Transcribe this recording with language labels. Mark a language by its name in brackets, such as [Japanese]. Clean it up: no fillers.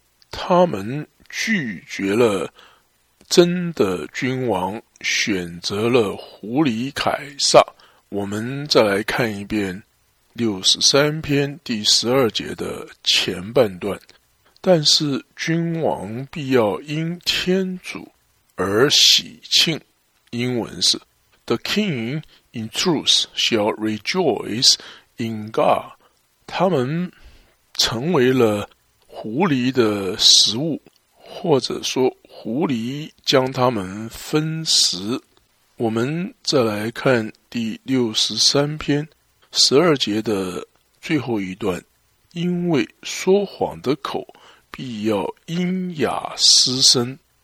[Chinese] 他们拒绝了真的君王，选择了狐狸凯撒。我们再来看一遍63篇第12节的前半段，但是君王必要因天主而喜庆。英文是 [English] The king, in truth, shall rejoice in God. [Chinese] 他们成为了狐狸的食物，或者说狐狸将他们分食。我们再来看第63篇12节的最后一段，因为说谎的口必要阴哑失声。